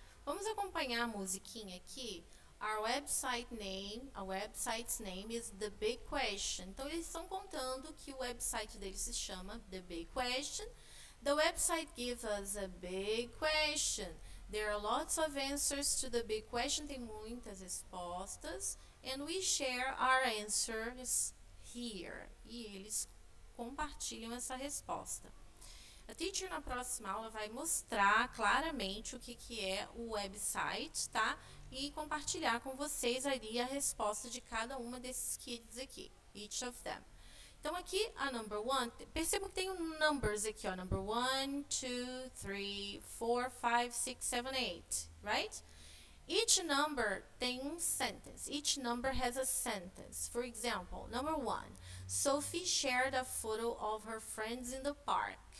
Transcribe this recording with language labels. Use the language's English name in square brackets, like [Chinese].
[Portuguese] Vamos acompanhar a musiquinha aqui. [English] Our website name, a website's name is The Big Question. [Portuguese] Então, eles estão contando que o website deles se chama The Big Question. [English] The website gives us a big question. There are lots of answers to the big question. [Portuguese] Tem muitas respostas. [English] And we share our answers here. [Portuguese] E eles compartilham essa resposta. A teacher, na próxima aula, vai mostrar claramente o que é o website, tá? E compartilhar com vocês ali a resposta de cada uma desses kids aqui. [English] Each of them. [Portuguese] Então, aqui, a number one. Percebo que tem um numbers aqui, ó. [English] Number one, two, three, four, five, six, seven, eight. Right? Each number [Portuguese] tem um [English] sentence. Each number has a sentence. For example, number one. Sophie shared a photo of her friends in the park.